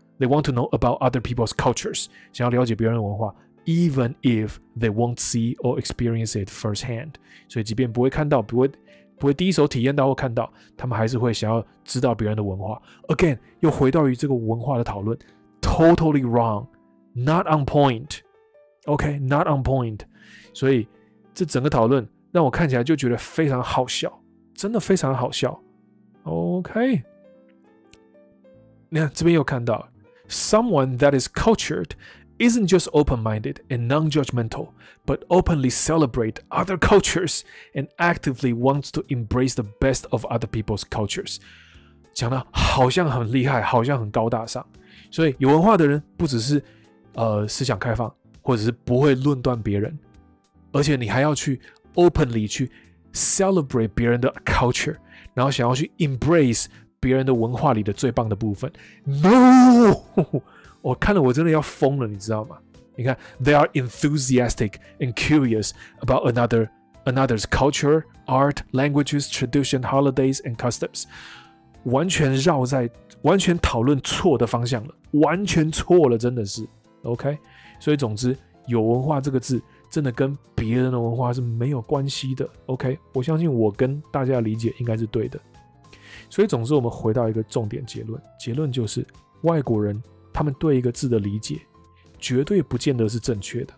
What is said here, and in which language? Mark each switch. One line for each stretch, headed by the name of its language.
English: They want to know about other people's cultures，
Chinese: 想要了解别人的文化
English: ，even if they won't see or experience it firsthand。
Chinese: 所以即便不会看到，不会第一手体验到或看到，他们还是会想要知道别人的文化。
English: Again，
Chinese: 又回到于这个文化的讨论 ，
English: totally wrong， not on point。 OK， not on point。
Chinese: 所以这整个讨论让我看起来就觉得非常好笑。真的非常好笑 ，OK。你看这边又看到
English: ，someone that is cultured isn't just open-minded and non-judgmental, but openly celebrate other cultures and actively wants to embrace the best of other people's cultures。
Chinese: 讲的好像很厉害，好像很高大上。所以有文化的人不只是思想开放，或者是不会论断别人，而且你还要去 openly 去。 Celebrate 别人的 culture， 然后想要去 embrace 别人的文化里的最棒的部分。 No， 我看了我真的要疯了，你知道吗？你看 ，
English: they are enthusiastic and curious about another another's culture, art, languages, tradition, holidays, and customs.
Chinese: 完全绕在，完全讨论错的方向了，完全错了，真的是。 OK， 所以总之，有文化这个字真的跟别人的文化是没有关系的。 OK， 我相信我跟大家的理解应该是对的。所以总之，我们回到一个重点结论，结论就是外国人他们对一个字的理解绝对不见得是正确的。